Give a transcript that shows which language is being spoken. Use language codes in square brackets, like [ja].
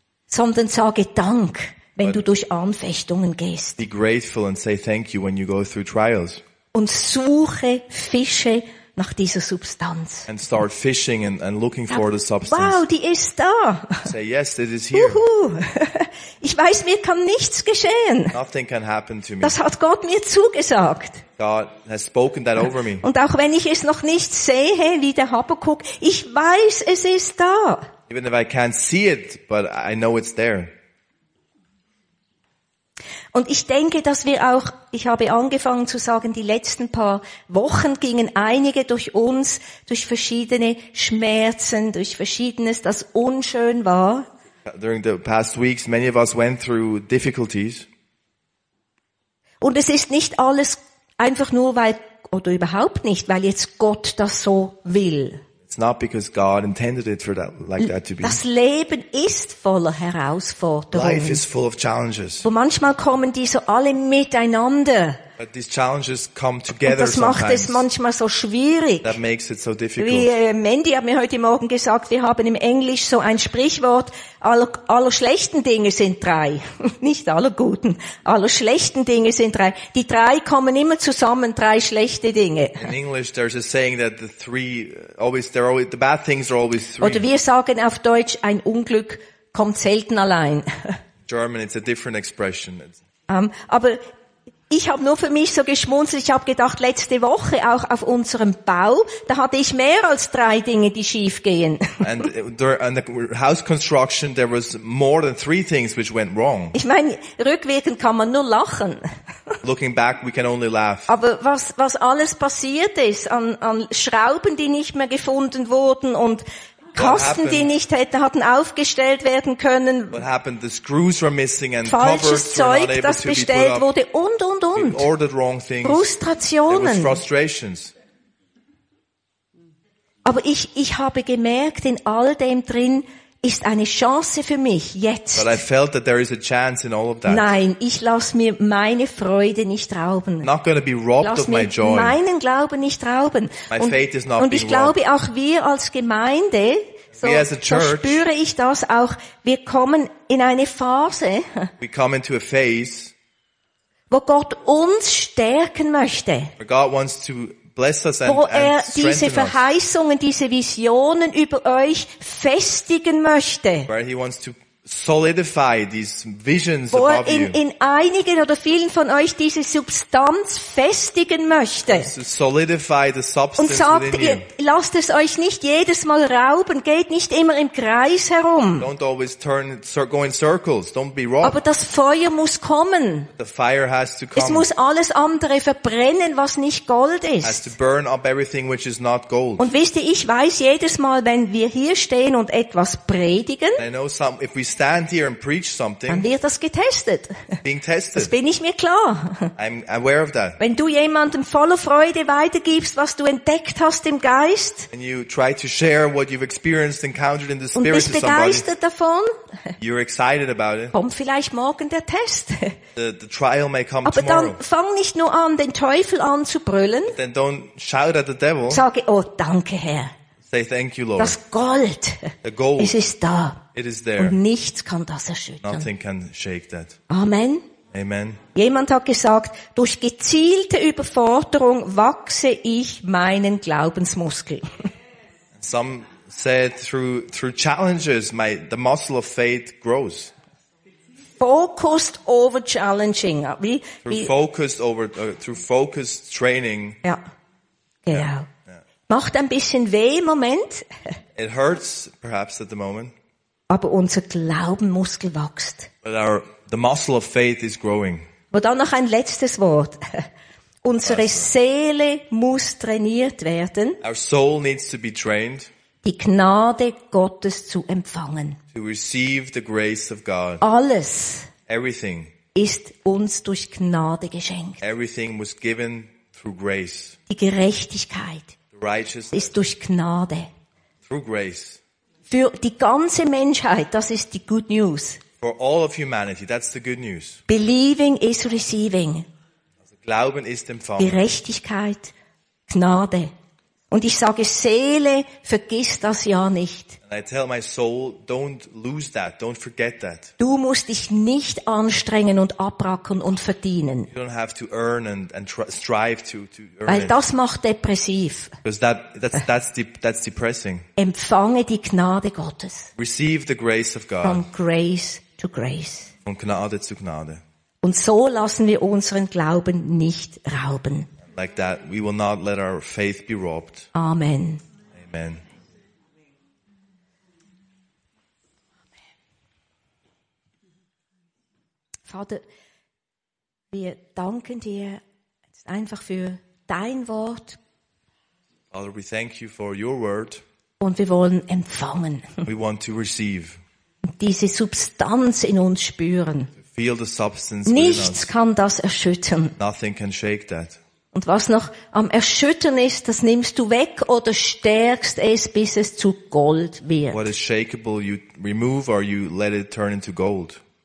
[de] Sondern sage Dank, wenn du durch Anfechtungen gehst. [en] Be grateful and say thank you when you go through trials. [de] Und suche Fische nach dieser Substanz. [en] And start fishing and looking for the substance. [de] Wow, die ist da. [en] Say yes, it is here. [de] Juhu. Ich weiß, mir kann nichts geschehen. [en] Nothing can happen to me. [de] Das hat Gott mir zugesagt. [en] God has spoken that over me. [de] Und auch wenn ich es noch nicht sehe, wie der Habakuk, ich weiß, es ist da. [en] Even if I can't see it, but I know it's there. [de] Und ich denke, dass wir auch, ich habe angefangen zu sagen, die letzten paar Wochen gingen einige durch uns, durch verschiedene Schmerzen, durch Verschiedenes, das unschön war. [en] During the past weeks, many of us went through difficulties. [de] Und es ist nicht alles einfach nur, weil, oder überhaupt nicht, weil jetzt Gott das so will. [en] It's not because God intended it for that, like that to be. [de] Das Leben ist voller Herausforderungen. [en] Life is full of challenges. [de] Und manchmal kommen die so alle miteinander. [en] But these challenges come together. [de] Und das macht [en] sometimes [de] es manchmal so schwierig. [en] That makes it so difficult. [de] Wie Mandy hat mir heute Morgen gesagt, wir haben im Englisch so ein Sprichwort, aller schlechten Dinge sind drei. Nicht aller guten, aller schlechten Dinge sind drei. Die drei kommen immer zusammen, drei schlechte Dinge. [en] In English there's a saying that the three, always, they're always, the bad things are always three. [de] Oder wir sagen auf Deutsch, ein Unglück kommt selten allein. [en] German, it's a different expression. [de] Aber ich habe nur für mich so geschmunzelt, ich habe gedacht, letzte Woche auch auf unserem Bau, da hatte ich mehr als drei Dinge, die schief gehen. [en] And the house construction, there was more than three things which went wrong. [de] Ich meine, rückwirkend kann man nur lachen. [en] Looking back, we can only laugh. [de] Aber was alles passiert ist, an Schrauben, die nicht mehr gefunden wurden und Kosten, die nicht hatten aufgestellt werden können. [en] What happened? The screws were missing and [de] falsches Zeug, [en] were not [de] das bestellt wurde und. [en] We ordered wrong things. [de] Frustrationen. [en] It was frustrations. [de] Aber ich habe gemerkt, in all dem drin ist eine Chance für mich jetzt. [en] But I felt that there is a chance in all of that. [de] Nein, ich lasse mir meine Freude nicht rauben. [en] Not going to be robbed of my joy. [de] Lass meinen Glauben nicht rauben. [en] My faith is not being robbed. [de] Und ich glaube auch wir als Gemeinde, so spüre ich das auch, wir kommen in eine Phase. [en] We come into a phase. [de] Wo Gott uns stärken möchte. [en] Where God wants to bless us and [de] wo er diese Verheißungen, diese Visionen über euch festigen möchte. [en] Where he wants to solidify these visions [de] wo [en] above [de] er in einigen oder vielen von euch diese Substanz festigen möchte. [en] Solidify the substance [de] und sagt, [en] within [de] ihr, lasst es euch nicht jedes Mal rauben, geht nicht immer im Kreis herum. [en] Don't always turn, go in circles. Don't be wrong. [de] Aber das Feuer muss kommen. [en] The fire has to come. [de] Es muss alles andere verbrennen, was nicht Gold ist. [en] Has to burn up everything which is not gold. [de] Und wisst ihr, ich weiß jedes Mal, wenn wir hier stehen und etwas predigen, [en] stand here and preach something. [de] Dann wird das getestet. [en] Being tested. [de] Das bin ich mir klar. [en] I'm aware of that. [de] Wenn du jemandem voller Freude weitergibst, was du entdeckt hast im Geist, [en] and you try to share what you've experienced, encountered in the spirit [de] und bist begeistert davon, [en] you're excited about it, [de] kommt vielleicht morgen der Test. [en] The trial may come [de] aber [en] tomorrow. [de] Dann fang nicht nur an, den Teufel anzubrüllen. [en] Then don't shout at the devil. [de] Sage, oh, danke, Herr. [en] Say thank you, Lord. [de] Das Gold, [en] the gold, [de] es ist da. [en] It is there. [de] Und nichts kann das erschüttern. [en] Nothing can shake that. [de] Amen. [en] Amen. [de] Jemand hat gesagt, durch gezielte Überforderung wachse ich meinen Glaubensmuskel. [en] Some said through challenges the muscle of faith grows. Focused over challenging. Through focused training. [de] Ja. Genau. Yeah. Macht ein bisschen weh im Moment. [en] It hurts perhaps at the moment. [de] Aber unser Glaubenmuskel wächst. [en] But the muscle of faith is growing. [de] Und dann noch ein letztes Wort. Unsere Seele muss trainiert werden. [en] Our soul needs to be trained. [de] Die Gnade Gottes zu empfangen. [en] To receive the grace of God. [de] Alles. [en] Everything. [de] Ist uns durch Gnade geschenkt. [en] Everything was given through grace. [de] Die Gerechtigkeit. [en] Righteousness. [de] Ist durch Gnade. [en] Through grace. [de] Für die ganze Menschheit, das ist die Good News. [en] For all of humanity, that's the good news. Believing is receiving. [de] Also, Glauben ist empfangen. Gerechtigkeit, Gnade. Und ich sage, Seele, vergiss das ja nicht. [en] And I tell my soul, don't lose that, don't forget that. [de] Du musst dich nicht anstrengen und abrackern und verdienen. [en] You don't have to earn and strive to earn. [de] Weil das macht depressiv. [en] Because that's depressing. [de] Empfange die Gnade Gottes. [en] Receive the grace of God. From grace to grace. [de] Von Gnade zu Gnade. Und so lassen wir unseren Glauben nicht rauben. [en] Like that, we will not let our faith be robbed. [de] Amen. [en] Amen. [de] Vater, wir danken dir einfach für dein Wort. [en] Father, we thank you for your word. [de] Und wir wollen empfangen. [en] We want to receive. [de] Diese Substanz in uns spüren. [en] Feel the substance. [de] Nichts kann das erschüttern. [en] Nothing can shake that. [de] Und was noch am Erschüttern ist, das nimmst du weg oder stärkst es, bis es zu Gold wird. [en] What is shakeable, you remove or you let it turn into gold.